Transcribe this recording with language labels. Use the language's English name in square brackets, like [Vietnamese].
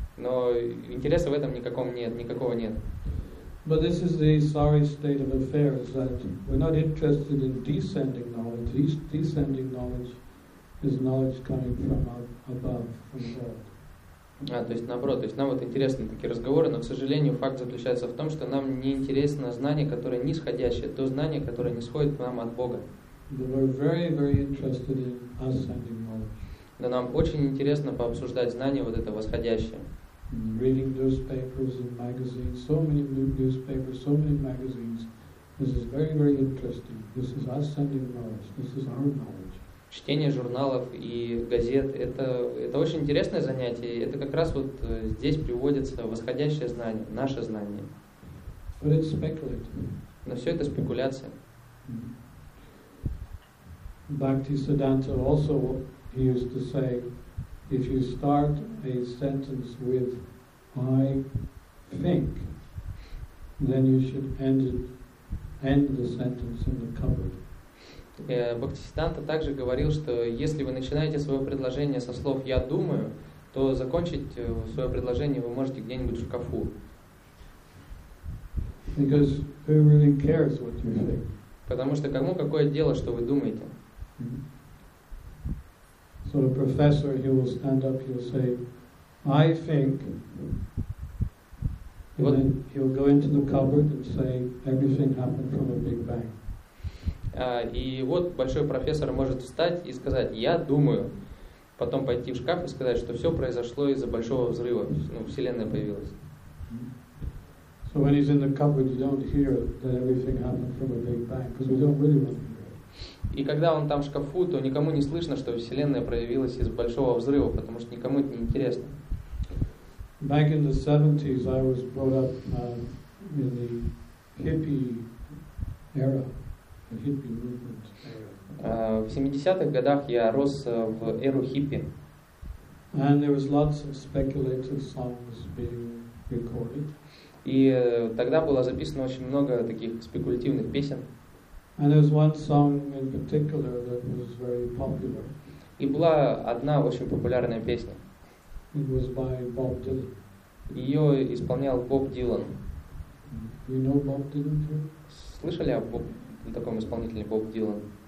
[Russian] Но интереса в этом никаком нет, никакого нет. [English] But this is the sorry state of affairs, that we're not interested in descending knowledge. Descending knowledge is knowledge coming from above, from God. [Russian] А, то есть наоборот, то есть нам вот интересны такие разговоры, но, к сожалению, факт заключается в том, что нам не интересно знание, которое нисходящее, то знание, которое нисходит к нам от Бога. Но нам очень интересно пообсуждать знание вот это восходящее. [English] Reading newspapers and magazines, so many newspapers, so many magazines. This is very, very interesting. This is ascending knowledge. This is our knowledge. [Russian] Чтение журналов и газет – это очень интересное занятие. Это как раз вот здесь приводится восходящее знание, наше знание. [English] But it's speculative. [Russian] Но все это спекуляция. Mm-hmm. [English] Bhakti Siddhanta also used to say, if you start a sentence with "I think," then you should end the sentence in the cupboard. [Russian] Бхактисиддханта также говорил, что если вы начинаете свое предложение со слов «я думаю», то закончить свое предложение вы можете где-нибудь в шкафу. [English] Because who really cares what you think? [Russian] Потому что кому какое дело, что вы думаете? [English] So the professor, he will stand up, he'll say, I think, and then he'll go into the cupboard and say, everything happened from a big bang. [Russian] И вот большой профессор может встать и сказать, я думаю, потом пойти в шкаф и сказать, что все произошло из-за большого взрыва, ну, Вселенная появилась. [English] So when he's in the cupboard, you don't hear that everything happened from a big bang, because we don't really want to hear it. [Russian] И когда он там в шкафу, то никому не слышно, что Вселенная проявилась из большого взрыва, потому что никому это не интересно. [English] Back in the 70s, I was brought up in the hippie era. [Russian] В 70-х годах я рос в эру хиппи. [English] And there was lots of speculative songs being recorded. [Russian] И тогда было записано очень много таких спекулятивных песен. [English] And there was one song in particular that was very popular. [Russian] И была одна очень популярная песня. [English] It was by Bob Dylan. [Russian] Ее исполнял Боб Дилан. [English] You know Bob Dylan too? [Russian] Слышали о Боб? На таком исполнителе Боб Дилан.